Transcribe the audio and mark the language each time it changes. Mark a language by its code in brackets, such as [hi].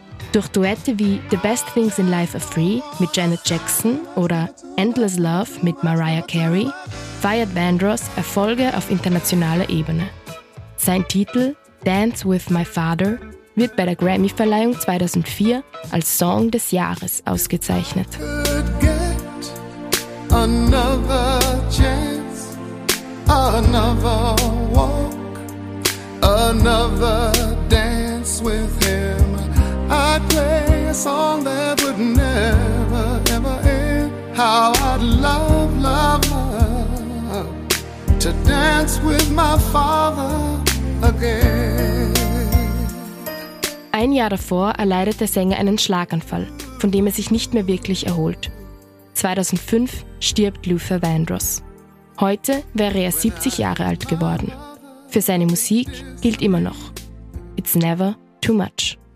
[de] Durch Duette wie The Best Things in Life Are Free mit Janet Jackson oder Endless Love mit Mariah Carey feiert Vandross Erfolge auf internationaler Ebene. Sein Titel Dance With My Father wird bei der Grammy-Verleihung 2004 als Song des Jahres ausgezeichnet. [en] Could get another chance, another walk, another dance with him. I'd play a song that would never, ever end. How I'd love, love, love to dance with my father again. [de] Ein Jahr davor erleidet der Sänger einen Schlaganfall, von dem er sich nicht mehr wirklich erholt. 2005 stirbt Luther Vandross. Heute wäre er 70 Jahre alt geworden. Für seine Musik gilt immer noch: [en] It's never too much.